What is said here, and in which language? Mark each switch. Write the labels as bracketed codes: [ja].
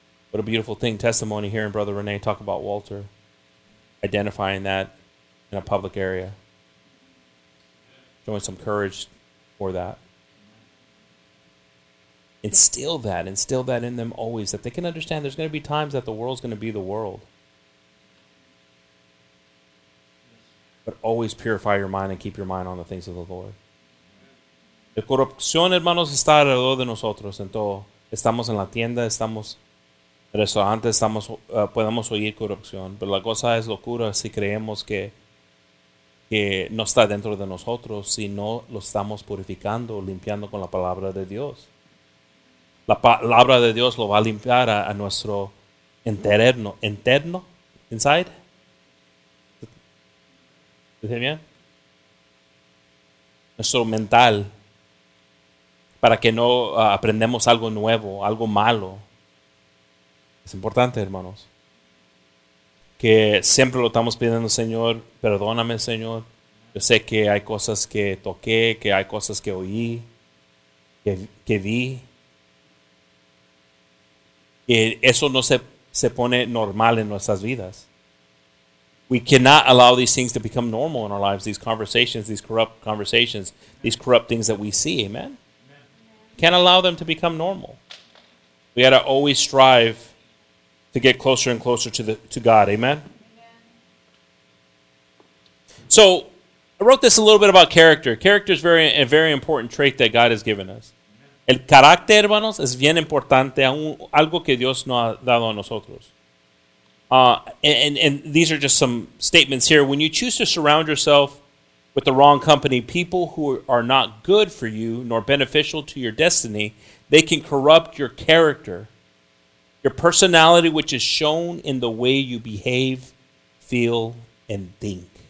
[en] What a beautiful thing, testimony hearing Brother Renee talk about Walter, identifying that in a public area, showing some courage for that. Instill that in them always, that they can understand there's going to be times that the world's going to be the world. But always purify your mind and keep your mind on the things of the Lord. [es] La corrupción, hermanos, está alrededor de nosotros en todo. Estamos en la tienda, estamos en restaurantes, estamos, podemos oír corrupción. Pero la cosa es locura si creemos que no está dentro de nosotros, si no lo estamos purificando, limpiando con la palabra de Dios. La palabra de Dios lo va a limpiar a nuestro interno. ¿Interno? ¿Inside? ¿Dice bien? Nuestro mental. Para que no aprendamos algo nuevo, algo malo. Es importante, hermanos. Que siempre lo estamos pidiendo, Señor, perdóname, Señor. Yo sé que hay cosas que toqué, que hay cosas que oí, que vi. Que eso no se pone normal en nuestras vidas. [en] We cannot allow these things to become normal in our lives, these conversations, these corrupt conversations, these corrupt things that we see, amen? Can't allow them to become normal. We got to always strive to get closer and closer to God, amen? So, I wrote this a little bit about character. Character is very a very important trait that God has given us. [es] El carácter, hermanos, es bien importante, algo que Dios nos ha dado a nosotros. [en] And these are just some statements here. When you choose to surround yourself with the wrong company, people who are not good for you nor beneficial to your destiny, they can corrupt your character, your personality, which is shown in the way you behave, feel, and think.